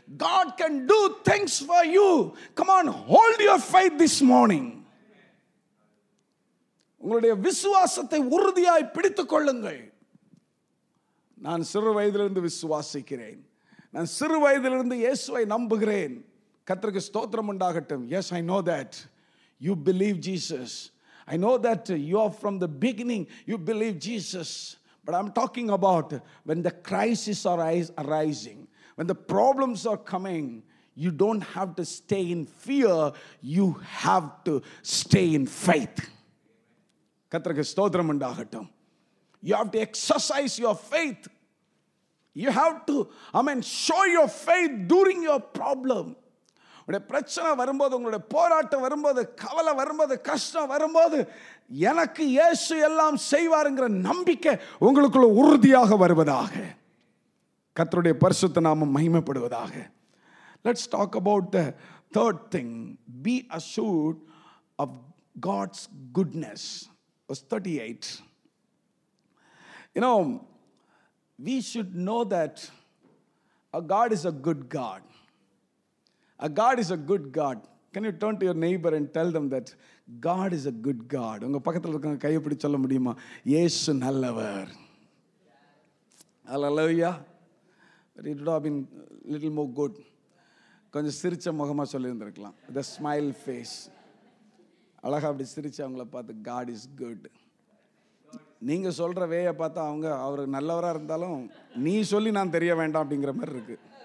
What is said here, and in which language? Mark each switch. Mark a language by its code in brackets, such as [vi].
[en] God can do things for you. Come on, hold your faith this morning. [ta] உங்களுடைய விசுவாசத்தை உறுதியாய் பிடித்துக் கொள்ளுங்கள். நான் சிறு வயதிலிருந்து விசுவாசிக்கிறேன். நான் சிறு வயதிலிருந்து இயேசுவை நம்புகிறேன். கர்த்தருக்கு ஸ்தோத்திரம் உண்டாகட்டும். [en] Yes, I know that you believe Jesus. I know that you are from the beginning, you believe Jesus. But I'm talking about when the crisis arising, when the problems are coming, you don't have to stay in fear, you have to stay in faith. [ta] கர்த்தருக்கு ஸ்தோத்திரம் உண்டாகட்டும். [en] You have to exercise your faith. You have to, show your faith during your problem. [ta] உங்களுடைய பிரச்சனை வரும்போது, உங்களுடைய போராட்டம் வரும்போது, கவலை வரும்போது, கஷ்டம் வரும்போது, எனக்கு இயேசு எல்லாம் செய்வாருங்கிற நம்பிக்கை உங்களுக்குள்ள உறுதியாக வருவதாக. கர்த்தருடைய பரிசுத்த நாமம் மகிமைப்படுவதாக. [en] Let's talk about the third thing. Be assured of God's goodness. Verse 38. You know, we should know that a God is a good God. A God is a good God. Can you turn to your neighbor and tell them that God is a good God? [ta] உங்க பக்கத்துல இருக்கவங்க கையை பிடிச்சு சொல்ல முடியுமா? இயேசு நல்லவர். Hallelujah. [en] But it would have been a little more good. [ta] கொஞ்சம் சிரிச்ச முகமா சொல்லியிருந்திருக்கலாம். [en] The smile face. [ta] அழகா அப்படி சிரிச்சு அவங்கள பார்த்து [en] God is good. [ta] நீங்க சொல்ற வேயை பார்த்தா அவங்க, அவர் நல்லவரா இருந்தாலும் நீ சொல்லி நான் தெரிய வேண்டாம் அப்படிங்கிற மாதிரி இருக்கு.